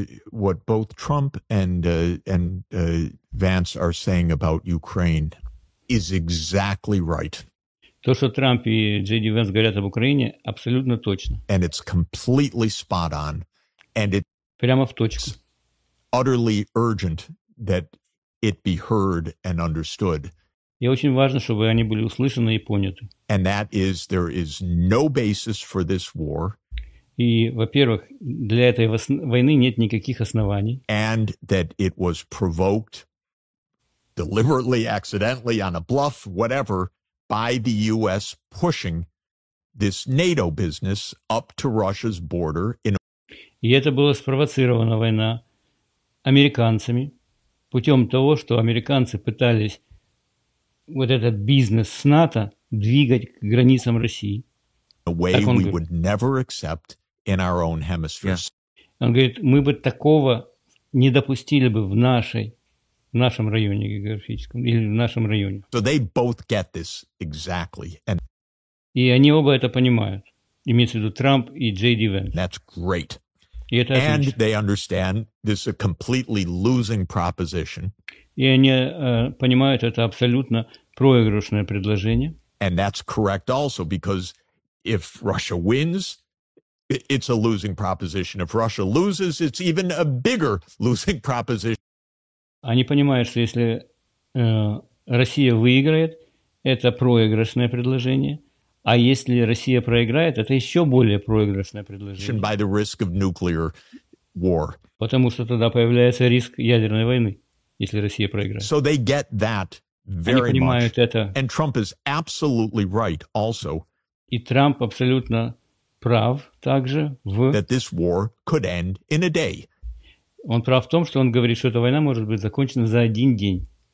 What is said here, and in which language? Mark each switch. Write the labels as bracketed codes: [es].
[en] What both Trump and Vance are saying about Ukraine is exactly right. [ru] То, что Трамп и Джей Ди Венс говорят об Украине, абсолютно точно. [en] And it's completely spot on. And it [ru] прямо в точку. [en] Utterly urgent that it be heard and understood. [ru] И очень важно, чтобы они были услышаны и поняты. [en] And that is, there is no basis for this war. [ru] И, во-первых, для этой войны нет никаких оснований. [en] And that it was provoked deliberately, accidentally, on a bluff, whatever, by the U.S. pushing this NATO business up to Russia's border. [ru] И это была спровоцирована война американцами путем того, что американцы пытались вот этот бизнес с НАТО двигать к границам России. [en] A way we [ru] говорит. [en] Would never accept in our own hemisphere. Yeah. [ru] Он говорит, мы бы такого не допустили бы в нашей, в нашем районе географическом или в нашем районе. [en] So they both get this exactly. And... [ru] И они оба это понимают. Имеется в виду Трамп и Джей Ди Венс. [en] That's great. [ru] И это отлично. [en] And they understand this is a completely losing proposition. [ru] И они понимают, это абсолютно проигрышное предложение. [en] And that's correct also, because if Russia wins, it's a losing proposition. If Russia loses, it's even a bigger losing proposition. [ru] Они понимают, что если Россия выиграет, это проигрышное предложение. А если Россия проиграет, это еще более проигрышное предложение. [en] By the risk of nuclear war. [ru] Потому что тогда появляется риск ядерной войны, если Россия проиграет. [en] So they get that very [ru] Они понимают [en] much. [ru] Это. [en] And Trump is absolutely right also. [ru] И Трамп абсолютно прав также в... [en] That this war could end in a day. [ru] Он прав в том, что он говорит, что эта война может быть закончена за один день.